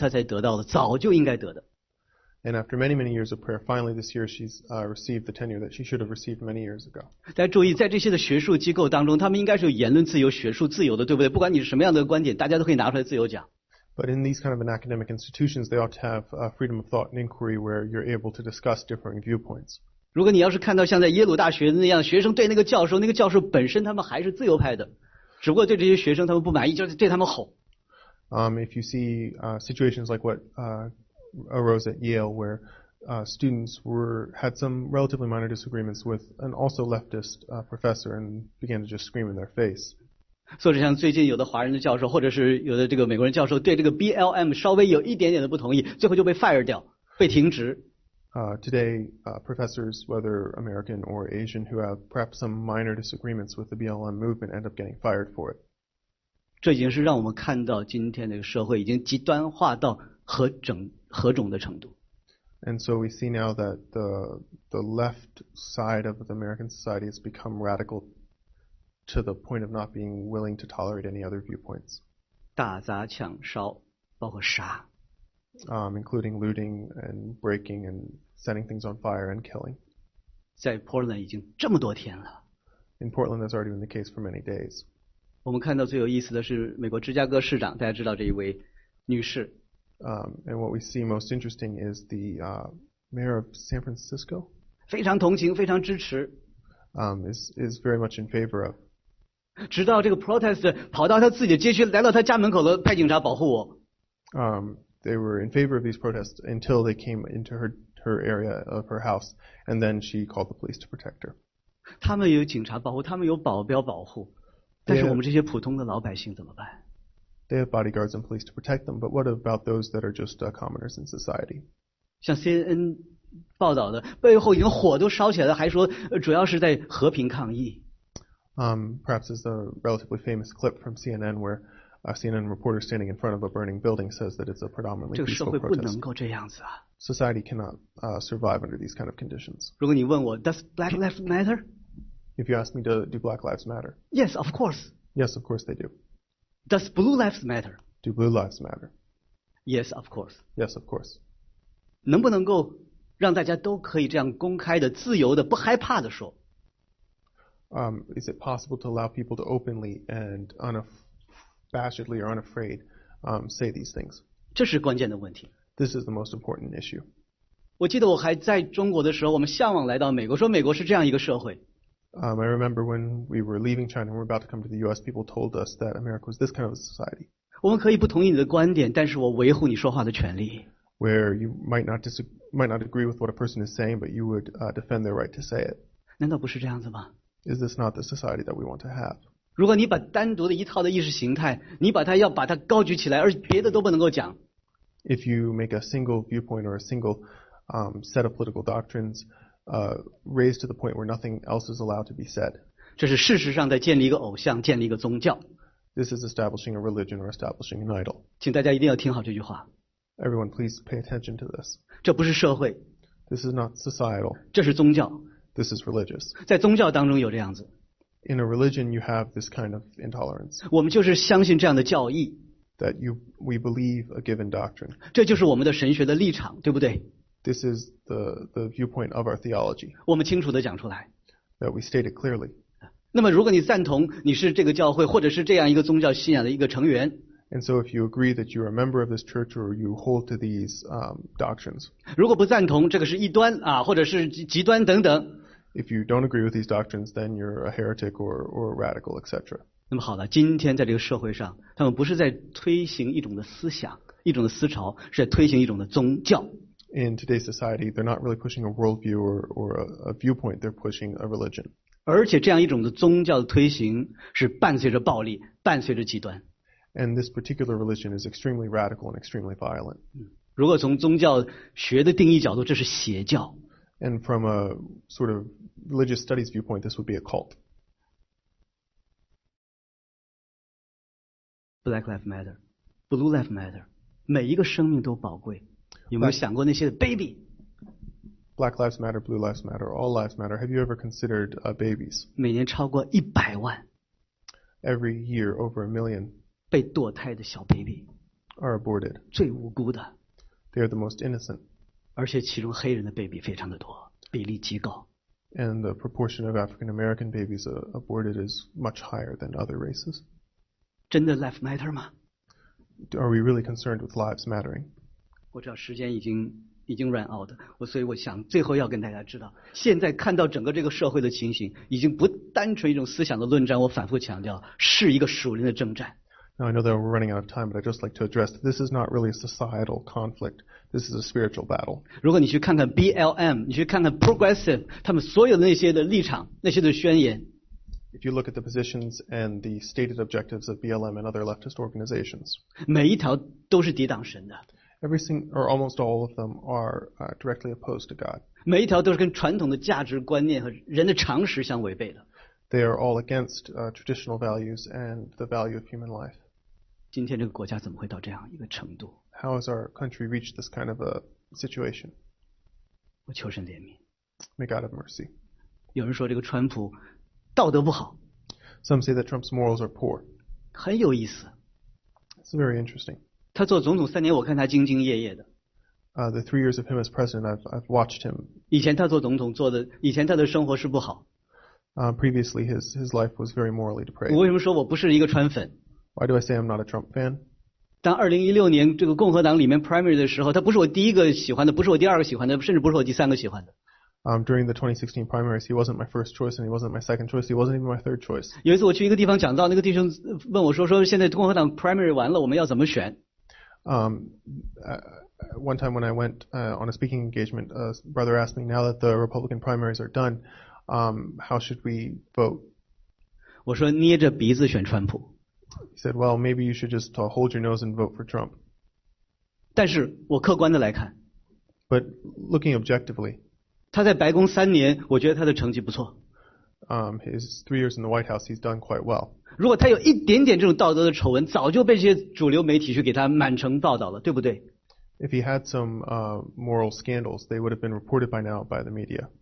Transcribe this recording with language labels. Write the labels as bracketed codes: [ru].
[en] And after many, many years of prayer, finally this year she's received the tenure that she should have received many years ago. [zh] 大家注意，在这些的学术机构当中，他们应该是有言论自由、学术自由的，对不对？不管你是什么样的观点，大家都可以拿出来自由讲。 [en] But in these kind of an academic institutions, they ought to have freedom of thought and inquiry where you're able to discuss differing viewpoints. [zh] 如果你要是看到像在耶鲁大学那样，学生对那个教授本身他们还是自由派的，只不过对这些学生他们不满意，就是对他们吼。 [en] If you see situations like what arose at Yale, where students had some relatively minor disagreements with an also leftist professor and began to just scream in their face. [zh] 所以像最近有的华人的教授或者是有的这个美国人教授对这个 BLM 稍微有一点点的不同意，最后就被 fire 掉，被停职。 [en] Today, professors, whether American or Asian, who have perhaps some minor disagreements with the BLM movement end up getting fired for it. [zh] 这已经是让我们看到今天这个社会已经极端化到何种的程度。 [en] And so we see now that the left side of the American society has become radical to the point of not being willing to tolerate any other viewpoints. [zh] 打砸抢烧，包括杀。 [en] Including looting and breaking and setting things on fire and killing. [zh] 在 Portland 已经这么多天了。 [en] In Portland, that's already been the case for many days. [zh] 我们看到最有意思的是美国芝加哥市长，大家知道这一位女士。 [en] And what we see most interesting is the mayor of San Francisco. [zh] 非常同情，非常支持。 [en] Is very much in favor of. [zh] 直到这个 protest 跑到他自己的街区，来到他家门口了，派警察保护我。 [en] They were in favor of these protests until they came into her area of her house, and then she called the police to protect her. [zh] 他们有警察保护，他们有保镖保护，但是我们这些普通的老百姓怎么办？ [en] They have bodyguards and police to protect them, but what about those that are just commoners in society? [zh] 像 CNN 报道的，背后已经火都烧起来了，还说主要是在和平抗议。 [en] Perhaps it's a relatively famous clip from CNN where a CNN reporter standing in front of a burning building says that it's a predominantly peaceful protest. [zh] 这个社会不能够这样子啊。 [en] Society cannot survive under these kind of conditions. [zh] 如果你问我 [en] ,does black lives matter? If you ask me, do black lives matter? Yes, of course. Yes, of course they do. Does blue lives matter? Do blue lives matter? Yes, of course. Yes, of course. [zh] 能不能够让大家都可以这样公开的、自由的、不害怕的说？ [en] Is it possible to allow people to openly and unabashedly or unafraid say these things? [zh] 这是关键的问题。 [en] This is the most important issue. [zh] 我记得我还在中国的时候，我们向往来到美国，说美国是这样一个社会。 [en] I remember when we were leaving China and we were about to come to the U.S., people told us that America was this kind of a society. [zh] 我们可以不同意你的观点，但是我维护你说话的权利。 [en] Where you might not agree with what a person is saying, but you would defend their right to say it. [zh] 难道不是这样子吗？ [en] Is this not the society that we want to have? [zh] 如果你把单独的一套的意识形态，你把它要把它高举起来，而别的都不能够讲。 [en] If you make a single viewpoint or a single set of political doctrines raised to the point where nothing else is allowed to be said, [zh] 这是事实上在建立一个偶像，建立一个宗教。 [en] This is establishing a religion or establishing an idol. [zh] 请大家一定要听好这句话。 [en] Everyone, please pay attention to this. [zh] 这不是社会。 [en] This is not societal. [zh] 这是宗教。 [en] This is religious. [zh] 在宗教当中有这样子。 [en] In a religion, you have this kind of intolerance. [zh] 我们就是相信这样的教义。 [en] That we believe a given doctrine. [zh] 这就是我们的神学的立场，对不对？ [en] This is the viewpoint of our theology. [zh] 我们清楚地讲出来。 [en] That we state it clearly. [zh] 那么如果你赞同你是这个教会或者是这样一个宗教信仰的一个成员。 [en] And so if you agree that you are a member of this church or you hold to these doctrines. [zh] 如果不赞同这个是异端啊，或者是极端等等。 [en] If you don't agree with these doctrines, then you're a heretic or a radical, etc. [zh] 那么好了，今天在这个社会上，他们不是在推行一种的思想，一种的思潮，是在推行一种的宗教。 [en] In today's society, they're not really pushing a worldview or a viewpoint, they're pushing a religion. [zh] 而且这样一种的宗教的推行是伴随着暴力，伴随着极端。 [en] And this particular religion is extremely radical and extremely violent. [zh] 如果从宗教学的定义角度，这是邪教。 [en] And from a sort of religious studies viewpoint, this would be a cult. Black lives matter, blue lives matter. [zh] 每一个生命都宝贵。有没有想过那些 baby? [en] Black lives matter, blue lives matter, all lives matter. Have you ever considered babies? [zh] 每年超过100万。 [en] Every year, over a million. [zh] 被堕胎的小 baby. [en] Are aborted. [zh] 最无辜的。 [en] They are the most innocent. [zh] 而且其中黑人的 baby 非常的多，比例极高。 [en] And the proportion of African American babies aborted is much higher than other races. [zh] 真的 [en] life matter [zh] 吗？ [en] Are we really concerned with lives mattering? [zh] 我知道时间已经 [en] run out， [zh] 所以我想最后要跟大家知道，现在看到整个这个社会的情形，已经不单纯一种思想的论战。我反复强调，是一个属灵的征战。 [en] Now, I know that we're running out of time, but I'd just like to address that this is not really a societal conflict. This is a spiritual battle. [zh] 如果你去看看 BLM, 你去看看 Progressive, 他们所有的那些的立场，那些的宣言。 [en] If you look at the positions and the stated objectives of BLM and other leftist organizations, [zh] 每一条都是抵挡神的。 [en] Every single, or almost all of them are directly opposed to God. [zh] 每一条都是跟传统的价值观念和人的常识相违背的。 [en] They are all against traditional values and the value of human life. [zh] 今天这个国家怎么会到这样一个程度？ [en] How has our country reached this kind of a situation? [zh] 我求神怜悯。 [en] May God have mercy. [zh] 有人说这个川普道德不好。 [en] Some say that Trump's morals are poor. [zh] 很有意思。 [en] It's very interesting. [zh] 他做总统三年，我看他兢兢业业的。 [en] The 3 years of him as president, I've watched him. [zh] 以前他做总统做的，以前他的生活是不好。 [en] Previously, his life was very morally depraved. [zh] 我为什么说我不是一个川粉？ [en] Why do I say I'm not a Trump fan? [zh] 当2016年这个共和党里面 primary 的时候，他不是我第一个喜欢的，不是我第二个喜欢的，甚至不是我第三个喜欢的。 [en] During the 2016 primaries, he wasn't my first choice, and he wasn't my second choice, he wasn't even my third choice. [zh] 有一次我去一个地方讲到，那个弟兄问我说，说现在共和党 primary 完了，我们要怎么选？ [en] One time when I went on a speaking engagement, a brother asked me, now that the Republican primaries are done,how should we vote? [zh] 我说捏着鼻子选川普。 [en] He said, well, maybe you should just hold your nose and vote for Trump. [zh] 但是我客观的来看。 [en] But looking objectively. [zh] 他在白宫三年，我觉得他的成绩不错。 [en] His 3 years in the White House, he's done quite well. [zh] 如果他有一点点这种道德的丑闻，早就被这些主流媒体去给他满城报道了，对不对？ [en] If he had some moral scandals, they would have been reported by now by the media.